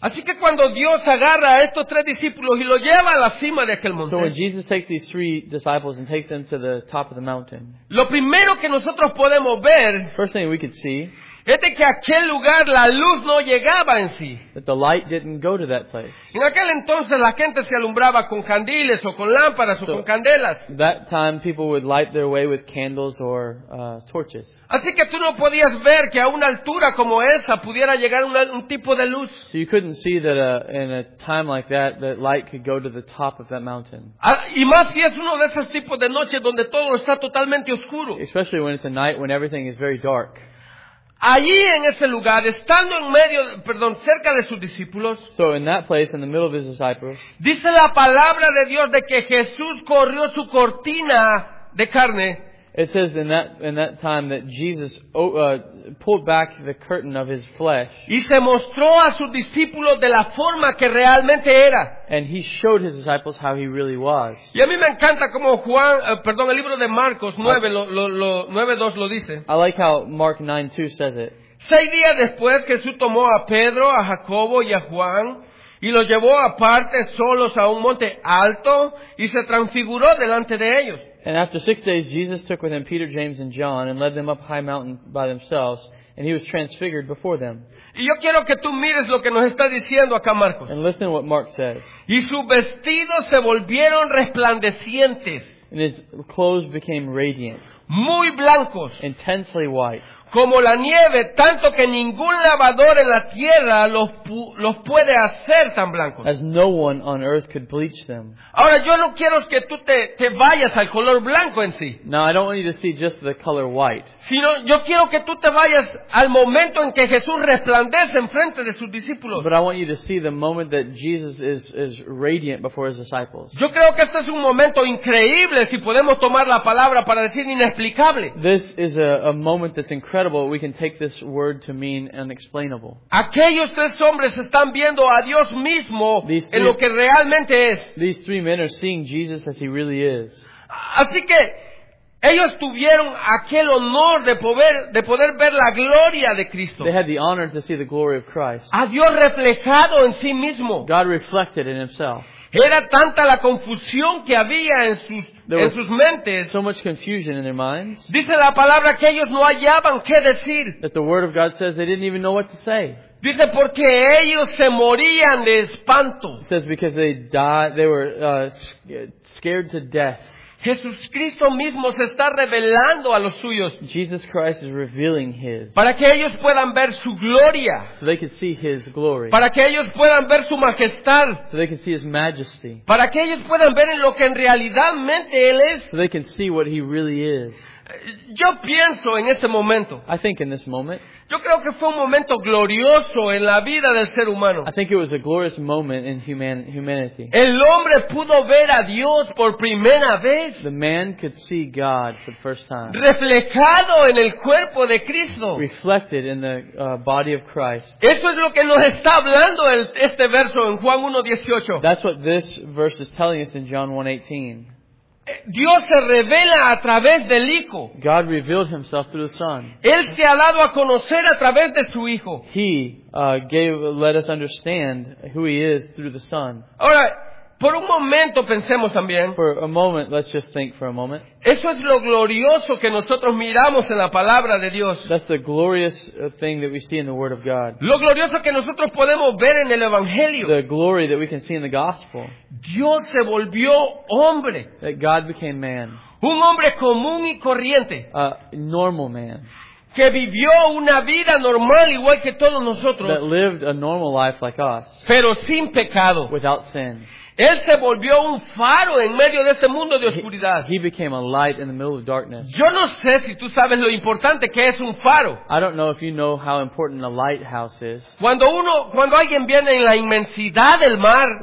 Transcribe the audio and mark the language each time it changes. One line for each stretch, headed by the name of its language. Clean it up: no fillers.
Spanish: Así que cuando Dios agarra a estos tres discípulos y lo lleva a la cima de aquel monte.
English: So when Jesus takes these three disciples and takes them to the top of the mountain.
Spanish: Lo primero que nosotros podemos ver.
English: First thing we could see.
Spanish: Es de que aquel lugar la luz no llegaba en sí.
English: That the light didn't go to that place.
Spanish: En aquel entonces la gente se alumbraba con candiles o con lámparas o con candelas.
English: That time people would light their way with candles or torches.
Spanish: Así que tú no podías ver que a una altura como esa pudiera llegar un tipo de luz.
English: So you couldn't see that in a time like that that light could go to the top of that mountain.
Spanish: Y más si es uno de esos tipos de noches donde todo está totalmente oscuro.
English: Especially when it's a night when everything is very dark.
Spanish: Allí en ese lugar, estando en medio, perdón, cerca de sus discípulos.
English: So in that place, in the middle of his disciples.
Spanish: Dice la palabra de Dios de que Jesús corrió su cortina de carne.
English: It says in that time that Jesus pulled back the curtain of his flesh.
Spanish: Y se mostró a sus discípulos de la forma que realmente era.
English: And he showed his disciples how he really was.
Spanish: Y a mí me encanta como Juan, perdón, el libro de Marcos 9, lo 9:2 lo dice.
English: I like how Mark 9:2 says it.
Spanish: 6 días después Jesús tomó a Pedro, a Jacobo y a Juan y los llevó aparte solos a un monte alto y se transfiguró delante de ellos.
English: And after 6 days, Jesus took with him Peter, James, and John and led them up a high mountain by themselves, and he was transfigured before them.
Spanish: Y yo quiero que tú mires lo que nos está diciendo acá Marcos.
English: And listen to what Mark says.
Spanish: Y sus vestidos se volvieron resplandecientes.
English: And his clothes became radiant.
Spanish: Muy blancos.
English: Intensely white.
Spanish: Como la nieve, tanto que ningún lavador en la tierra los puede hacer tan blancos.
English: As no one on earth could bleach them.
Spanish: Ahora, yo no quiero que tú te vayas al color blanco en sí.
English: No, I don't want you to see just the color white.
Spanish: Sino, yo quiero que tú te vayas al momento en que Jesús resplandece en frente de sus discípulos.
English: But I want you to see the moment that Jesus is radiant before his disciples.
Spanish: Yo creo que este es un momento increíble, si podemos tomar la palabra para decir inexplicable.
English: This is a moment that's incredible. Incredible, we can take this word to mean unexplainable.
Spanish: Aquellos tres hombres están viendo a Dios mismo en lo que realmente es.
English: These three men are seeing Jesus as he really is.
Spanish: Así que ellos tuvieron aquel honor de poder ver la gloria de Cristo.
English: They had the honor to see the glory of Christ.
Spanish: A Dios reflejado en sí mismo.
English: God reflected in himself.
Spanish: Era tanta la confusión que había en sus mentes.
English: So much confusion in their minds.
Spanish: Dice la palabra que ellos no hallaban qué decir.
English: That the word of God says they didn't even know what to say.
Spanish: Dice porque ellos se morían de espanto.
English: It says because they died, they were scared to death.
Spanish: Jesucristo mismo se está revelando a los suyos.
English: Jesus Christ is revealing his.
Spanish: Para que ellos puedan ver su gloria.
English: So they can see his glory.
Spanish: Para que ellos puedan ver su majestad.
English: So they can see his majesty.
Spanish: Para que ellos puedan ver en lo que en realidadmente él es.
English: So they can see what he really is.
Spanish: Yo pienso en ese momento.
English: I think in this moment.
Spanish: Yo creo que fue un momento glorioso en la vida del ser humano.
English: I think it was a glorious moment in humanity.
Spanish: El hombre pudo ver a Dios por primera vez.
English: The man could see God for the first time.
Spanish: Reflejado en el cuerpo de Cristo.
English: Reflected in the body of Christ.
Spanish: Eso es lo que nos está hablando este verso en Juan 1:18.
English: That's what this verse is telling us in John 1:18.
Spanish: Dios se revela a través del Hijo.
English: God revealed himself through the Son.
Spanish: Él se ha dado a conocer a través de su Hijo.
English: He let us understand who he is through the Son.
Spanish: Ahora, Por un momento pensemos también.
English: For a moment, let's just think for a moment.
Spanish: Eso es lo glorioso que nosotros miramos en la palabra de Dios.
English: That's the glorious thing that we see in the Word of God.
Spanish: Lo glorioso que nosotros podemos ver en el Evangelio.
English: The glory that we can see in the Gospel.
Spanish: Dios se volvió hombre.
English: That God became man.
Spanish: Un hombre común y corriente.
English: A normal man.
Spanish: Que vivió una vida normal igual que todos nosotros.
English: That lived a normal life like us.
Spanish: Pero sin pecado.
English: Without sin.
Spanish: Él se volvió un faro en medio de este mundo de oscuridad.
English: He became a light in the middle of darkness.
Spanish: Yo no sé si tú sabes lo importante que es un faro.
English: I don't know if you know how important a lighthouse is.
Spanish: Cuando alguien viene en la inmensidad del mar,